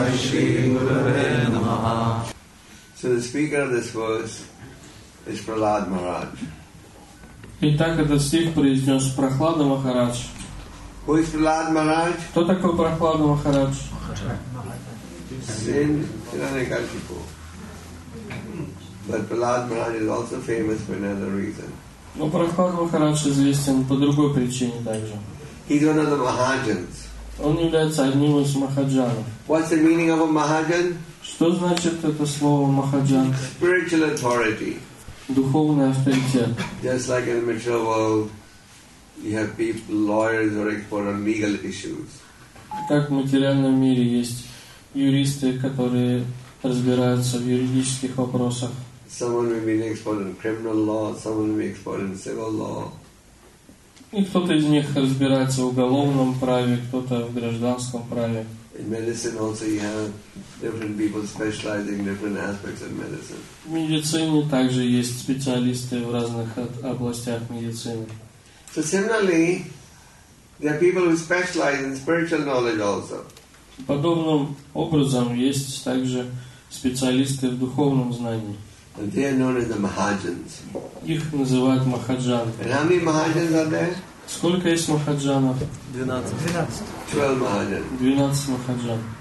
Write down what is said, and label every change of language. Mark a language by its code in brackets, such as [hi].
[en] So the speaker of this verse is Prahlad Maharaj. [ru] Итак, этот стих произнес Прохлада Махарадж. [en] Who is Prahlad Maharaj? [ru] Кто такой Прохлада Махарадж? Сын Хиранякашипу. [en] But Prahlad Maharaj is also famous for another reason. [ru] Но Прохлада Махарадж известен по другой причине также. [en] He's one of the Mahajans. [ru] Он является одним из Махаджанов. [en] What's the meaning of a Mahajan? [ru] Что значит это слово Махаджан? [en] Spiritual authority. [ru] Духовный авторитет. [en] Just like in the material world, you have people, lawyers who are expert on legal issues. [ru] Как в материальном мире есть юристы, которые разбираются в юридических вопросах. [en] Someone may be expert in criminal law, someone may be expert in civil law. [ru] И кто-то из них разбирается в уголовном праве, кто-то в гражданском праве. [en] In medicine also you have different people specializing in different aspects of medicine. [ru] В медицине также есть специалисты в разных областях медицины. [en] So similarly, there are people who specialize in spiritual knowledge also. [ru] Подобным образом есть также специалисты в духовном знании. [en] And they are known as the Mahajans. [ru] Их называют Махаджаны. [en] And how many Mahajans are there? [ru] Сколько есть Махаджанов? 12 Махаджан.